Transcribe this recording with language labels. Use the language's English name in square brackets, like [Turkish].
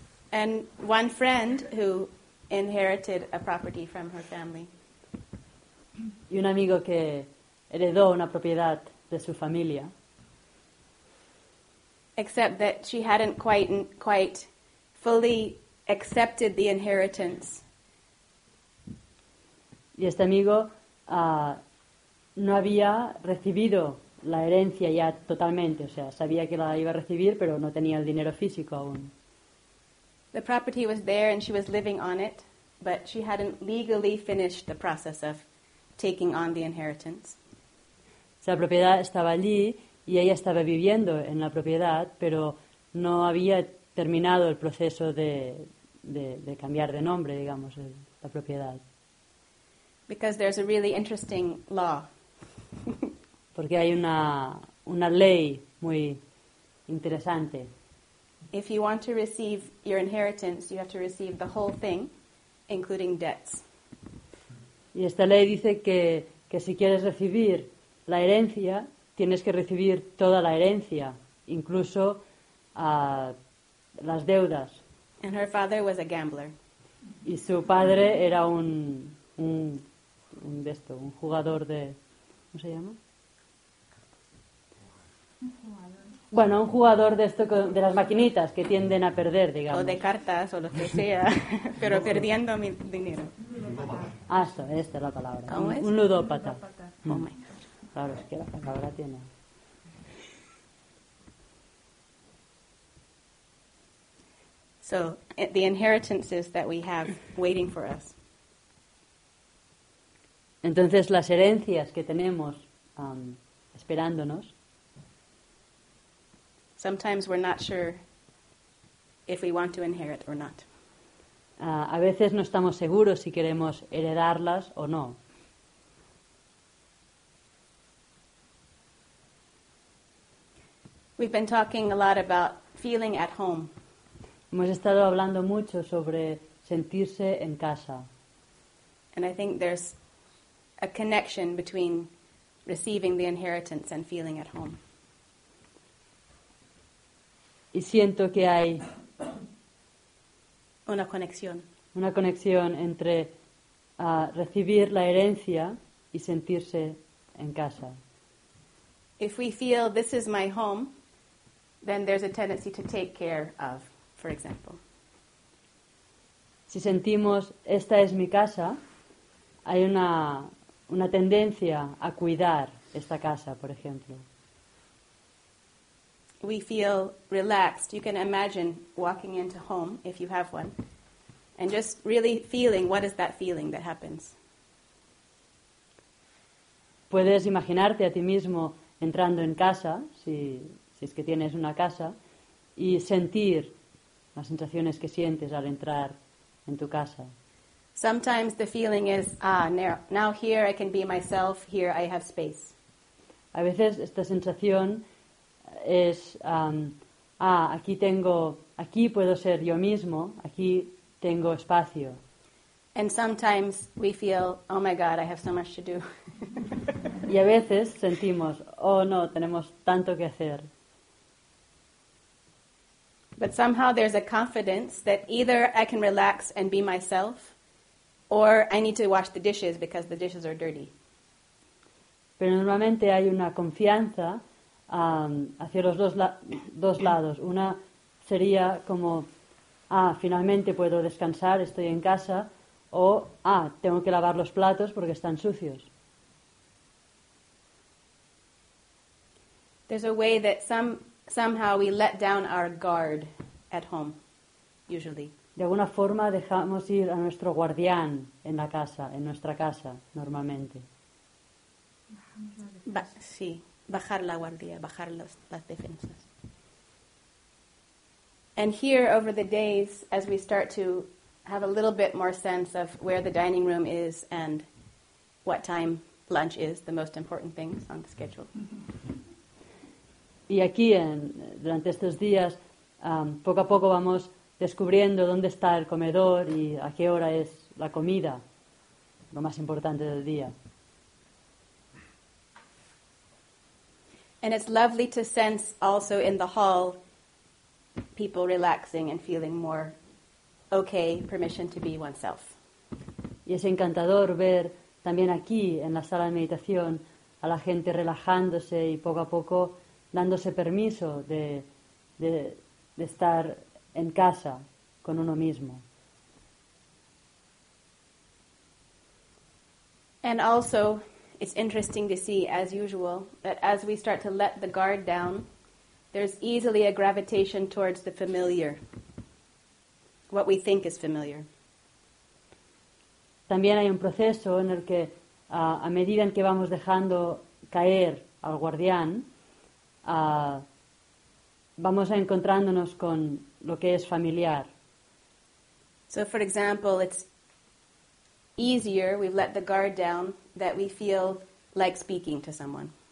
[English] And one friend who inherited a property from her family. [Spanish] Y un amigo que heredó una propiedad de su familia. [English] Except that she hadn't quite fully accepted the inheritance. [Spanish] Y este amigo no había recibido la herencia ya totalmente. O sea, sabía que la iba a recibir, pero no tenía el dinero físico aún. [English] The property was there and she was living on it, but she hadn't legally finished the process of taking on the inheritance. [Spanish] La propiedad estaba allí y ella estaba viviendo en la propiedad, pero no había terminado el proceso de cambiar de nombre, digamos, la propiedad. [English] Because there's a really interesting law. [Spanish] Porque hay una ley muy interesante. [English] If you want to receive your inheritance, you have to receive the whole thing, including debts. [Spanish] Y esta ley dice que si quieres recibir la herencia, tienes que recibir toda la herencia, incluso las deudas. [English] And her father was a gambler. [Spanish] Y su padre era un jugador de... ¿Cómo se llama? Bueno, un jugador de esto de las maquinitas que tienden a perder, digamos. O de cartas o lo que sea, pero perdiendo mi dinero. Ah, esta es la palabra. ¿Cómo es? Un ludópata. [English] Oh my God. [Spanish] Claro, es que la palabra tiene. [English] So, the inheritances that we have waiting for us. [Spanish] Entonces, las herencias que tenemos esperándonos. [English] Sometimes we're not sure if we want to inherit or not. [Spanish] A veces no estamos seguros si queremos heredarlas o no. [English] We've been talking a lot about feeling at home. [Spanish] Hemos estado hablando mucho sobre sentirse en casa. [English] And I think there's a connection between receiving the inheritance and feeling at home. [Spanish] Y siento que hay una conexión entre recibir la herencia y sentirse en casa. [English] If we feel this is my home, then there's a tendency to take care of, for example. [Spanish] Si sentimos esta es mi casa, hay una tendencia a cuidar esta casa, por ejemplo. [English] We feel relaxed. You can imagine walking into home, if you have one, and just really feeling what is that feeling that happens. [Spanish] Puedes imaginarte a ti mismo entrando en casa, si es que tienes una casa, y sentir las sensaciones que sientes al entrar en tu casa. [English] Sometimes the feeling is, now here I can be myself, here I have space. [Spanish] A veces esta sensación es, aquí puedo ser yo mismo, aquí tengo espacio. [English] And sometimes we feel, oh my God, I have so much to do. [Spanish] Y a veces sentimos, oh no, tenemos tanto que hacer. [English] But somehow there's a confidence that either I can relax and be myself, or I need to wash the dishes because the dishes are dirty. [Spanish] Pero normalmente hay una confianza hacia los dos lados. Una sería como, finalmente puedo descansar, estoy en casa, o, tengo que lavar los platos porque están sucios. [English] There's a way that somehow we let down our guard at home, usually. [Spanish] De alguna forma dejamos ir a nuestro guardián en la casa, en nuestra casa, normalmente. Sí, bajar la guardia, bajar las defensas. [English] And here, over the days, as we start to have a little bit more sense of where the dining room is and what time lunch is, the most important things on the schedule. [Spanish] Y aquí, durante estos días, poco a poco vamos descubriendo dónde está el comedor y a qué hora es la comida, lo más importante del día. [English] And it's lovely to sense also in the hall people relaxing and feeling more okay, permission to be oneself. [Spanish] Y es encantador ver también aquí en la sala de meditación a la gente relajándose y poco a poco dándose permiso de estar en casa con uno mismo. [English] And also, it's interesting to see, as usual, that as we start to let the guard down, there's easily a gravitation towards the familiar, what we think is familiar. [Spanish] También hay un proceso en el que, a medida en que vamos dejando caer al guardián, vamos encontrándonos con lo que es familiar. [English] So, for example, it's easier, we've let the guard down, that we feel like speaking to someone.